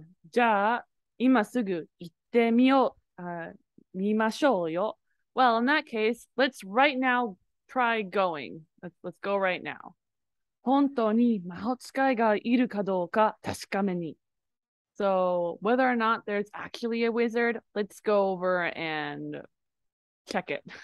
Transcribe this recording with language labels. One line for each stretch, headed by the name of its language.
Japanese: じゃあ今すぐ行ってみよう。見ましょうよ。
English: Well, in that case, let's right now try going. Let's go right now.
Japanese: 本当に魔法使いがいるかどうか確かめに。
English: So whether or not there's actually a wizard, let's go over and check it.